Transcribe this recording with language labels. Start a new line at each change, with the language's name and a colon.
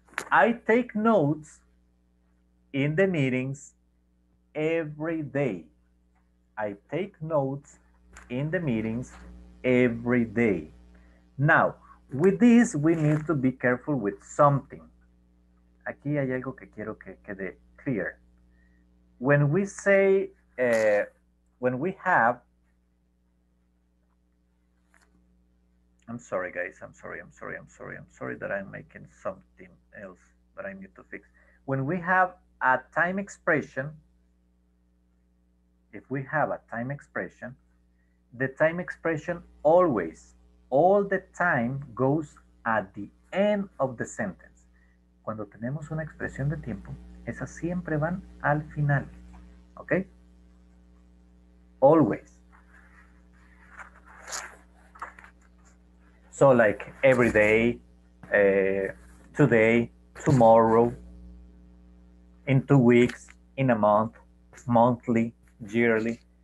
English: I take notes in the meetings every day. I take notes in the meetings every day. Now, with this, we need to be careful with something.
Spanish: Aquí hay algo que quiero que quede clear.
English: When we say, when we have, I'm sorry that I'm making something else that I need to fix. When we have a time expression, if we have a time expression, the time expression always, all the time goes at the end of the sentence.
Spanish: Cuando tenemos una expresión de tiempo, esas siempre van al final.
English: Okay? Always. So like every day, today, tomorrow, in 2 weeks, in a month, monthly, yearly.